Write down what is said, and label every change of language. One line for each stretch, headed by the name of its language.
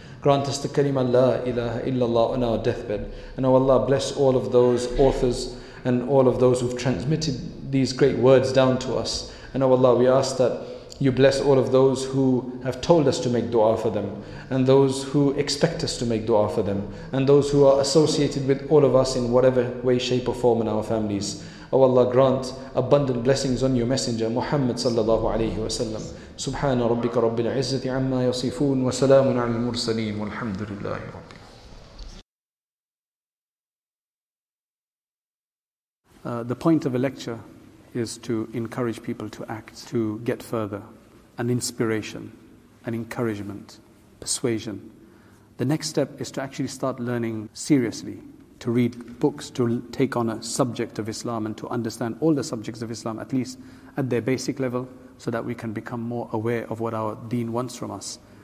English: Grant us the kalima la ilaha illallah on our deathbed. And oh Allah, bless all of those authors and all of those who've transmitted these great words down to us. And oh Allah, we ask that you bless all of those who have told us to make dua for them, and those who expect us to make dua for them, and those who are associated with all of us in whatever way, shape or form in our families. Oh Allah, grant abundant blessings on your messenger Muhammad sallallahu alayhi wa sallam.
Arabic: سبحان ربك رب العزة عما يصفون وسلام على المرسلين والحمد لله رب
English: The point of a lecture is to encourage people to act, to get further, an inspiration, an encouragement, persuasion. The next step is to actually start learning seriously, to read books, to take on a subject of Islam and to understand all the subjects of Islam, at least at their basic level, so that we can become more aware of what our deen wants from us.